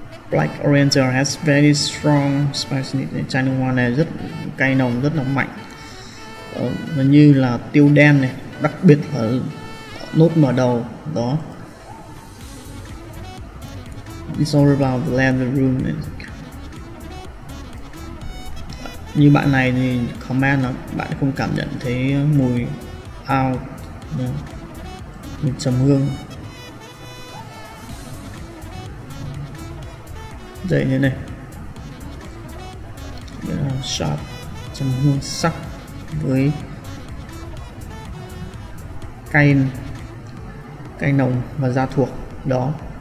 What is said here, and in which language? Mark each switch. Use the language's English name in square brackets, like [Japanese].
[English] Black Oriental has very strong spiciness. [Vietnamese] Chai nước hoa này rất cay nồng, rất là mạnh. Nó như là tiêu đen này, đặc biệt là nốt mở đầu đó. [English] It's all about the leather room. [Vietnamese] Như bạn này thì comment là bạn không cảm nhận thấy mùi out, mùi trầm hương. Đây như này, sharp, trầm hương sắc với cay nồng và da thuộc đó.